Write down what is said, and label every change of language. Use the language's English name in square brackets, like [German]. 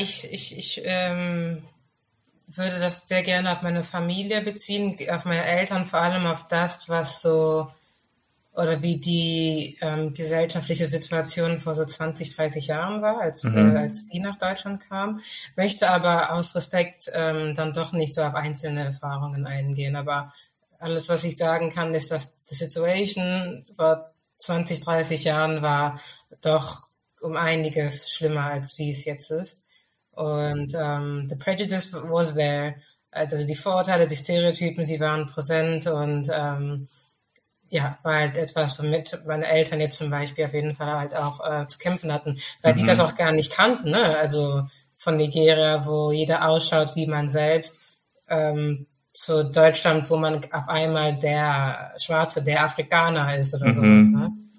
[German] Ich würde das sehr gerne auf meine Familie beziehen, auf meine Eltern, vor allem auf das, was so oder wie die gesellschaftliche Situation vor so 20, 30 Jahren war, als sie nach Deutschland kam. Möchte aber aus Respekt dann doch nicht so auf einzelne Erfahrungen eingehen, aber alles, was ich sagen kann, ist, dass die Situation vor 20, 30 Jahren war doch um einiges schlimmer, als wie es jetzt ist. [English] Und the prejudice was there. [German] Also die Vorurteile, die Stereotypen, sie waren präsent. Und war halt etwas, womit meine Eltern jetzt zum Beispiel auf jeden Fall halt auch zu kämpfen hatten. Weil die das auch gar nicht kannten, ne? Also von Nigeria, wo jeder ausschaut wie man selbst, zu Deutschland, wo man auf einmal der Schwarze, der Afrikaner ist oder sowas. Ne?